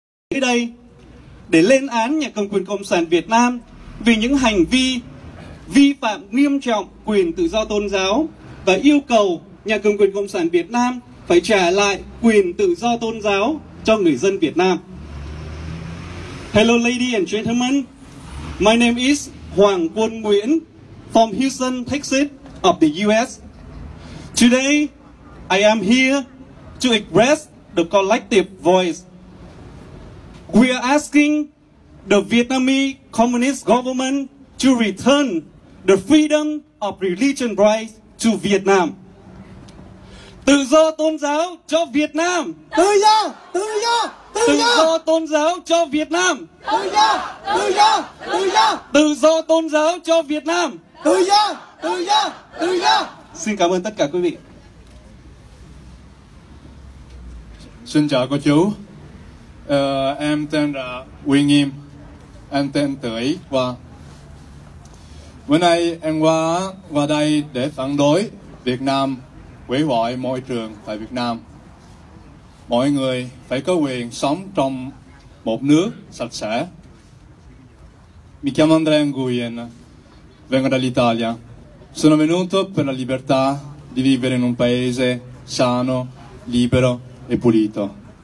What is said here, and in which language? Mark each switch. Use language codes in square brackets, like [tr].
[vi] Tới đây để lên án nhà cầm quyền Cộng sản Việt Nam vì những hành vi vi phạm nghiêm trọng quyền tự do tôn giáo và yêu cầu nhà cầm quyền Cộng sản Việt Nam phải trả lại quyền tự do tôn giáo cho người dân Việt Nam. [en] Hello ladies and gentlemen, my name is Hoàng Quân Nguyễn from Houston, Texas of the US. Today, I am here to express the collective voice. We are asking the Vietnamese Communist government to return the freedom of religion rights to Việt Nam. [vi] Tự do tôn giáo cho Việt Nam. Tự do, tự do, tự do. Tự do tôn giáo cho Việt Nam. Tự do, tự do, tự do. Tự do tôn giáo cho Việt Nam. Tự do, tự do, tự do. Xin cảm ơn tất cả quý vị. Xin chào cô chú. Em tên là Nguyễn Nghiêm. Em tên Tưởi. Và bữa nay em qua đây để phản đối Việt Nam hủy hoại môi trường tại Việt Nam. Mọi người phải có quyền sống trong một nước sạch sẽ. [it] Mi chiamo Andrea Nguyen. Vengo dall'Italia. Sono venuto per la libertà di vivere in un paese sano, libero e pulito.